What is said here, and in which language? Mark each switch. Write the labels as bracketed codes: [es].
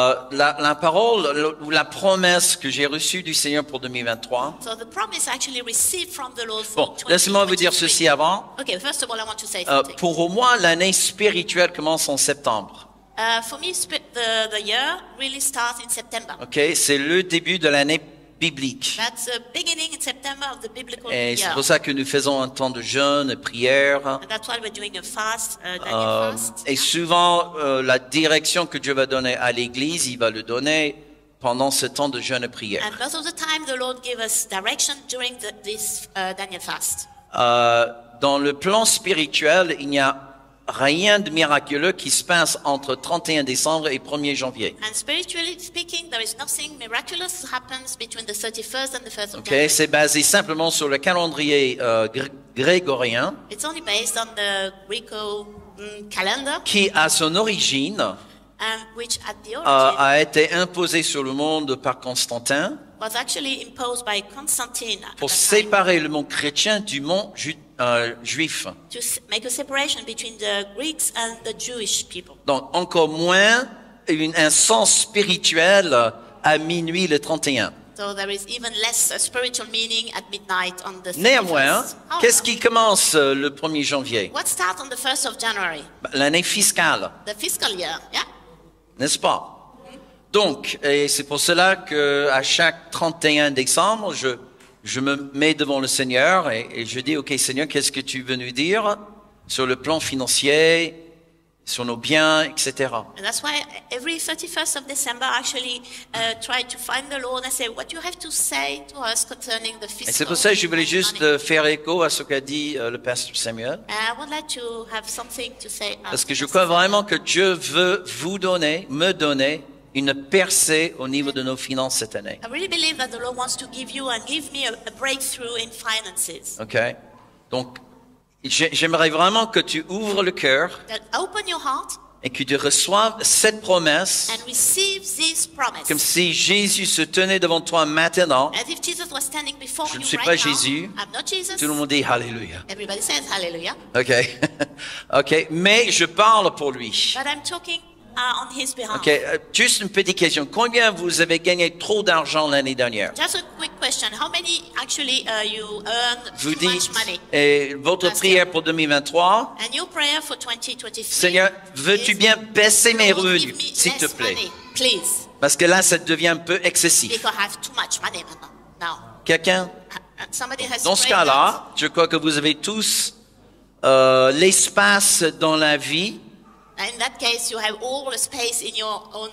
[fr] La parole, la promesse que j'ai reçue du Seigneur pour 2023. [en] So the promise actually received from the Lord for [fr] bon, laissez-moi vous dire ceci avant. [en] Okay, first of all, I want to say [fr] pour moi, l'année spirituelle commence en septembre. [en] For me, the year really starts in September. [fr] Okay, c'est le début de l'année biblique. [en] That's the beginning in September of the biblical [fr] et [en] year. [fr] Et c'est pour ça que nous faisons un temps de jeûne et prière. [en] And that's why we're doing a fast, fast. [fr] Et souvent, la direction que Dieu va donner à l'Église, il va le donner pendant ce temps de jeûne et prière. [en] And most of the time, the Lord gives us direction during this Daniel fast. [fr] Dans le plan spirituel, il n'y a rien de miraculeux qui se passe entre 31 décembre et 1er janvier. [en] And spiritually speaking, there is nothing miraculous that happens between the 31st and the 1st of okay, January. [fr] C'est basé simplement sur le calendrier grégorien. [en] It's only based on the Greek calendar. [fr] Qui a son origine [en] which at the origin, [fr] a été imposé sur le monde par Constantin. [en] Was actually imposed by Constantine [fr] pour séparer le monde chrétien du monde juif. [en] To make a separation between the Greeks and the Jewish people. [fr] Donc encore moins un sens spirituel à minuit le 31. [en] So there is even less a spiritual meaning at midnight on the 31st. [fr] Néanmoins, qu'est-ce qui commence le 1er janvier? [en] What starts on the 1st of January? [fr] L'année fiscale. [en] The fiscal year, yeah. [fr] N'est-ce pas? Donc, et c'est pour cela que à chaque 31 décembre, je me mets devant le Seigneur et je dis, OK, Seigneur, qu'est-ce que tu veux nous dire sur le plan financier, sur nos biens, etc. [en] And that's why every 31st of December, I actually try to find the Lord and say, what do you have to say to us concerning the fiscal? [fr] Et c'est pour ça que je voulais juste faire écho à ce qu'a dit le pasteur Samuel. [en] And I would like to have something to say. [fr] Parce que je crois vraiment que Dieu veut vous donner, me donner, une percée au niveau de nos finances cette année. [en] I really believe that the Lord wants to give you and give me a breakthrough in finances. Okay. [fr] Donc, j'aimerais vraiment que tu ouvres le cœur et que tu reçoives cette promesse [en] and receive this promise. [fr] Comme si Jésus se tenait devant toi maintenant. [en] As if Jesus was standing before [fr] je [en] you [fr] ne suis [en] right [fr] pas [en] now. [fr] Jésus. [en] I'm not Jesus. [fr] Tout le monde dit « Hallelujah ». [en] Everybody says « Hallelujah ». [fr] Okay. Okay. Mais je parle pour lui. [en] But I'm talking on his behalf. [fr] Okay, juste une petite question. Combien vous avez gagné trop d'argent l'année dernière? [en] Just a quick question. How many actually you earned [fr] vous [en] too [fr] dites, [en] much money? [fr] Et votre prière pour 2023? [en] And your prayer for 2023? [fr] Seigneur, veux-tu bien baisser mes revenus, s'il te plaît? [en] Money, please. [fr] Parce que là, ça devient un peu excessif. [en] Because I have too much money now. [fr] Quelqu'un? [en] Somebody has [fr] dans ce cas-là, je crois que vous avez tous l'espace dans la vie. [en] In that case, you have all the space in your own